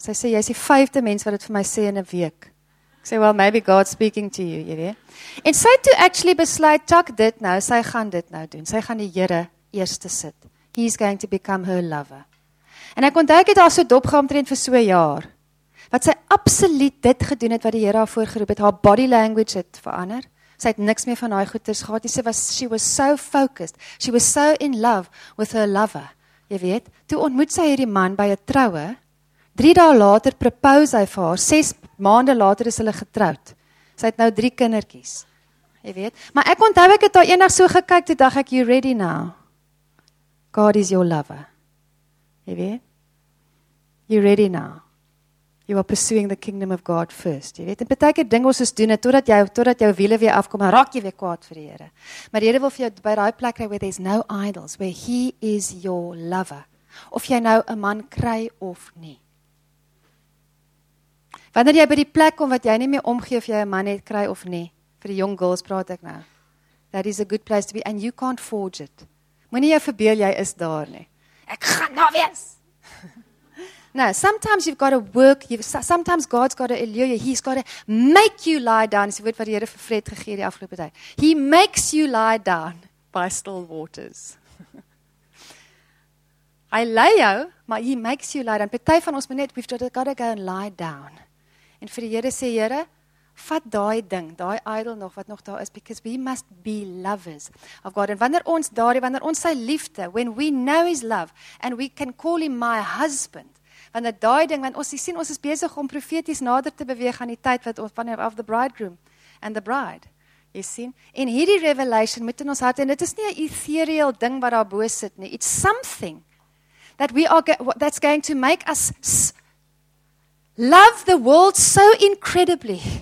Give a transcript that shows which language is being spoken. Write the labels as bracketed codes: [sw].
[af] Sy sê, jy is die vyfde mens wat het vir my sê in 'n week. Ek sê, [en] well, maybe God's speaking to you, [af] jy weet. En sy toe actually besluit, tak dit nou, sy gaan dit nou doen. Sy gaan die Here eerste sit. [en] He's going to become her lover. [af] En ek onthou, ek het haar so dopgeomtrend vir so 'n jaar, wat sy absoluut dit gedoen het wat die Here haar voorgeroep het, haar body language het verander. Sy het niks meer van daai goeders gehad. Sy was, [en] she was so focused. She was so in love with her lover. [af] Jy weet, toe ontmoet sy hierdie man by 'n troue. 3 dae later propose hy vir haar. 6 maande later is hulle getroud. Sy het nou 3 kindertjies. Jy weet, maar ek onthou ek het haar eendag so gekyk toe dacht ek, [en] you ready now? God is your lover. [af] Jy weet? [en] You ready now? You are pursuing the kingdom of God first. [af] Jy weet, en baie keer ding ons is doen, totdat jou wiele weer afkom, en raak jy weer kwaad vir die Here. Maar die Here wil vir jou by daai plek kry, [en] where there's no idols, where he is your lover. [af] Of jy nou 'n man kry of nie. Wanneer jy by die plek kom, wat jy nie meer omgee, of jy 'n man het kry of nie, vir die jong girls praat ek nou, [en] that is a good place to be, and you can't forge it. [af] Moenie jou verbeel, jy is daar nie. Ek gaan daar wees! [en] Now, sometimes you've got to work, sometimes God's got to allure you, he's got to make you lie down, [af] is die woord wat die Here vir Fred gegee die afgelope tyd. [en] He makes you lie down by still waters. [af] Hy lei jou, maar [en] he makes you lie down. [af] Party van ons moet net, [en] we've got to go and lie down. [af] En vir die Here sê, Here, vat daai ding, daai idol nog, wat nog daar is, [en] because we must be lovers of God. [af] En wanneer ons sy liefde, [en] when we know his love, and we can call him my husband, [af] en dat daai ding, want ons sien, ons is besig om profeties nader te beweeg aan die tyd wat ons van [en] of the bridegroom and the bride. [af] Jy sien, en hierdie revelation moet in ons hart, en dit is nie 'n ethereal ding wat daar bo sit nie. [en] It's something that we are that's going to make us love the world so incredibly.